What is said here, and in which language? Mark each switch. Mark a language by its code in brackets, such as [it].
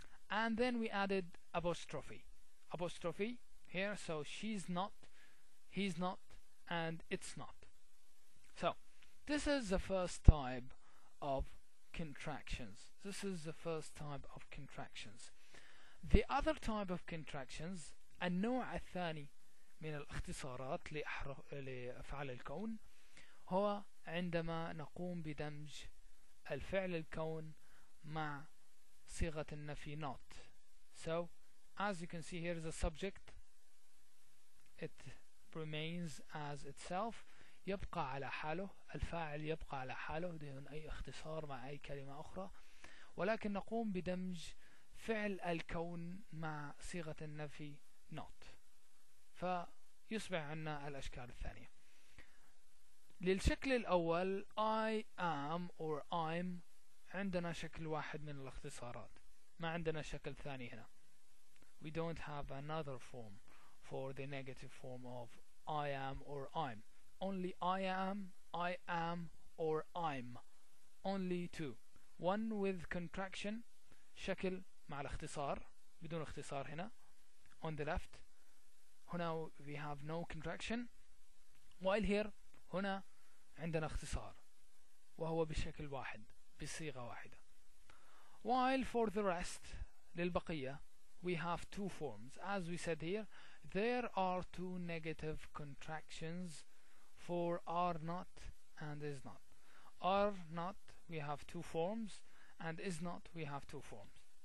[en] And then we added apostrophe. Apostrophe here, so she's not, he's not, and it's not. So this is the first type of contractions. This is the first type of contractions. The other type of contractions, [ar] النوع الثاني من الاختصارات لأفعال الكون هو عندما نقوم بدمج الفعل الكون مع صيغة النفي not. [en] So as you can see here, the subject, it remains as itself, [ar] يبقى على حاله, الفاعل يبقى على حاله دون أي اختصار مع أي كلمة أخرى, ولكن نقوم بدمج فعل الكون مع صيغة النفي not, فيصبح عندنا الأشكال الثانية. للشكل الأول [en] I am or I'm [ar] عندنا شكل واحد من الاختصارات, ما عندنا شكل ثاني هنا. [en] We don't have another form for the negative form of I am or I'm. Only I am or I'm. Only two. One with contraction, [ar] شكل مع الاختصار, بدون اختصار هنا. [en] On the left, هنا we have no contraction. While here, [ar] هنا عندنا اختصار. وهو بشكل واحد, بصيغة واحدة. [en] While for the rest, [ar] للبقية, [en] we have two forms. As we said here, there are two negative contractions for are not and is not. Are not, we have two forms, and is not, we have two forms.